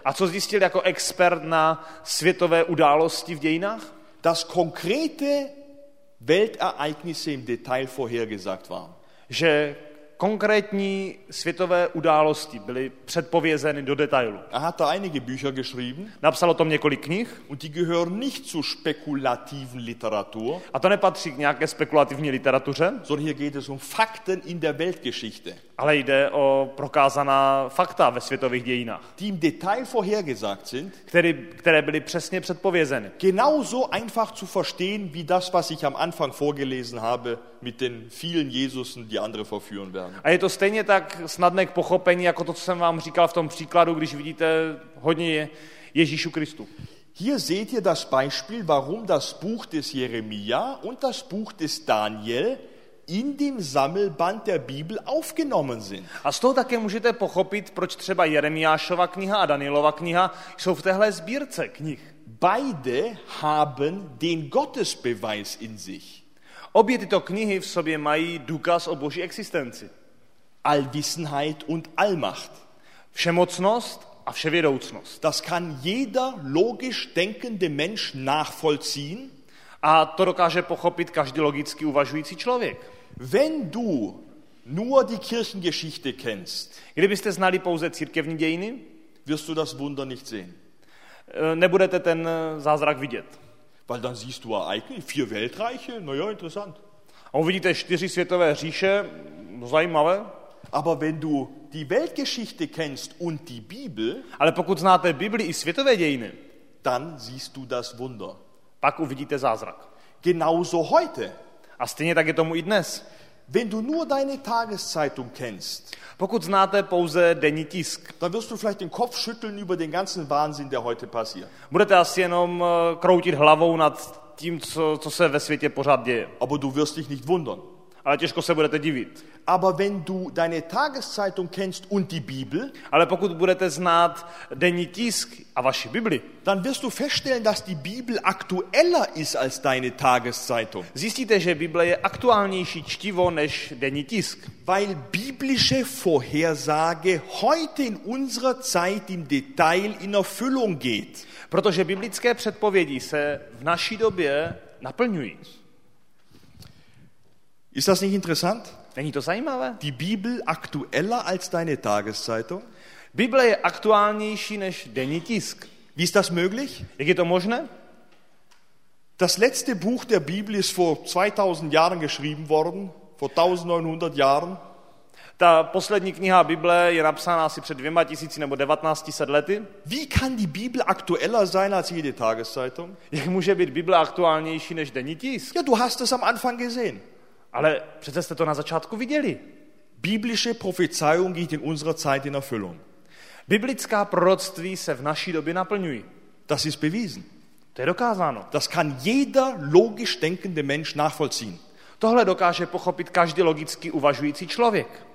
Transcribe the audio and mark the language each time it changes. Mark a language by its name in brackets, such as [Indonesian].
[Czech] A co zjistil jako expert na světové události v dějinách? [German] Dass konkrete Weltereignisse im Detail vorhergesagt waren. [Czech] Že konkrétní světové události byly předpovězeny do detailu. [German] Er hat da einige Bücher geschrieben. [Czech] Napsal o tom několik knih. [German] Und die gehören nicht zu spekulativen Literatur. [Czech] A to nepatří k nějaké spekulativní literatuře. [German] Sondern hier geht es um Fakten in der Weltgeschichte. [Czech] Ale jde o prokázaná fakta ve světových dějinách. [German] Die im Detail vorhergesagt sind. [Czech] Které byly přesně předpovězeny. [German] Genauso einfach zu verstehen, wie das, was ich am Anfang vorgelesen habe, mit den vielen Jesusen, die andere verführen. [Czech] A je to stejně tak snadné k pochopení, jako to, co jsem vám říkal v tom příkladu, když vidíte hodně Ježíšu Kristu. [German] Hier seht ihr das Beispiel, warum das Buch des Jeremia und das Buch des Daniel in dem Sammelband der Bibel aufgenommen sind. [Czech] A z toho také můžete pochopit, proč třeba Jeremiášova kniha a Danielova kniha jsou v téhle sbírce knih. [German] Beide haben den Gottesbeweis in sich. [Czech] Obě tyto knihy v sobě mají důkaz o Boží existenci. [German] Allwissenheit und Allmacht. [Czech] Všemocnost a vševědoucnost. [German] Das kann jeder logisch denkende Mensch nachvollziehen. [Czech] A to dokáže pochopit každý logicky uvažující člověk. [German] Wenn du nur die Kirchengeschichte kennst, [Czech] kdybyste znali pouze církevní dějiny, [German] wirst du das Wunder nicht sehen. [Czech] Nebudete ten zázrak vidět. [German] Weil dann siehst du Ereignisse, vier Weltreiche, naja, interessant. [Czech] A uvidíte čtyři světové říše, zajímavé. [German] Aber wenn du die Weltgeschichte kennst und die Bibel, [Czech] ale pokud znáte Bibli i světové dějiny, [German] dann siehst du das Wunder. [Czech] Pak uvidíte zázrak. [German] Genauso heute. [Czech] A stejně tak je tomu i dnes. [German] Wenn du nur deine Tageszeitung kennst, [Czech] pokud znáte pouze denní tisk, [German] dann wirst du vielleicht den Kopf schütteln über den ganzen Wahnsinn, der heute passiert. [Czech] Budete asi jenom kroutit hlavou nad tím, co se ve světě pořád děje. [German] Aber du wirst dich nicht wundern. [Czech] Ale těžko se budete divit. [German] Aber wenn du deine Tageszeitung kennst und die Bibel, [Czech] ale pokud budete znát denní tisk a vaši Bibli, [German] dann wirst du feststellen, dass die Bibel aktueller ist als deine Tageszeitung. [Czech] Zjistíte, že Bible je aktuálnější čtivo než denní tisk. [German] Weil biblische Vorhersage heute in unserer Zeit im Detail in Erfüllung geht. [Czech] Protože biblické předpovědi se v naší době naplňují. [German] Ist das nicht interessant? [Czech] Není to zajímavé? [German] Die Bibel aktueller als deine Tageszeitung? [Czech] Bible je aktuálnější než denní tisk. [German] Wie ist das möglich? [Czech] Jak je to možné? [German] Das letzte Buch der Bibel ist vor 2000 Jahren geschrieben worden, vor 1900 Jahren. [Czech] Ta poslední kniha Bible je napsána asi před 2000 nebo 1900 lety. [German] Wie kann die Bibel aktueller sein als jede Tageszeitung? [Czech] Jak může být Bible aktuálnější než denní tisk? [German] Ja, du hast es am Anfang gesehen. [Czech] Ale přece jste to na začátku viděli. [German] Biblische Prophezeiung geht in unserer Zeit in Erfüllung. [Czech] Biblická proroctví se v naší době naplňují. [German] Das ist bewiesen. [Czech] To je dokázáno. [German] Das kann jeder logisch denkende Mensch nachvollziehen. [Czech] Tohle dokáže pochopit každý logicky uvažující člověk.